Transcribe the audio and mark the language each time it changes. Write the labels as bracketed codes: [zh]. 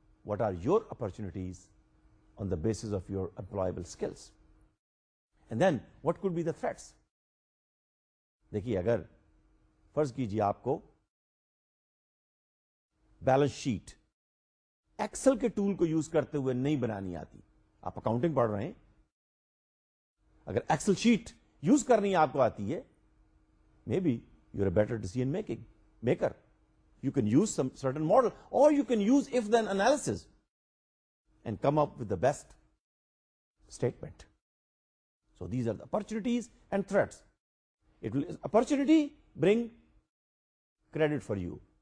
[en] What are your opportunities on the basis of your employable skills? And then what could be the threats? [ur] Dekhiye, agar farz kijiye aapko balance sheet Excel کے tool کو use کرتے ہوئے نہیں بنانی آتی، آپ accounting پڑھ رہے ہیں، اگر ایکسل شیٹ یوز کرنی آپ کو آتی ہے [en] maybe you're a better decision maker. You can use some certain model, or you can use if-then analysis and come up with the best statement. So these are the opportunities and threats. It will opportunity bring credit for you.